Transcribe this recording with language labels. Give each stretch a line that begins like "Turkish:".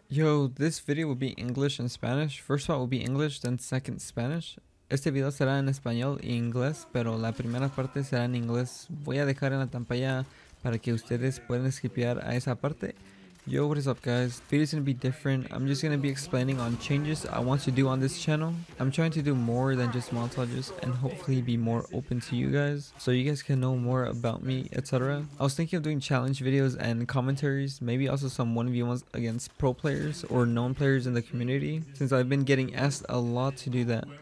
English: Yo, this video will be English and Spanish. First part will be English, then second Spanish.
Spanish: Este video será en español e inglés, pero la primera parte será en inglés. Voy a dejar en la pantalla para que ustedes puedan skipear a esa parte.
English: Yo, what is up, guys? Video is gonna be different. I'm just gonna be explaining on changes I want to do on this channel. I'm trying to do more than just montages and hopefully be more open to you guys so you guys can know more about me, etc. I was thinking of doing challenge videos and commentaries, maybe also some 1v1s against pro players or known players in the community, since I've been getting asked a lot to do that.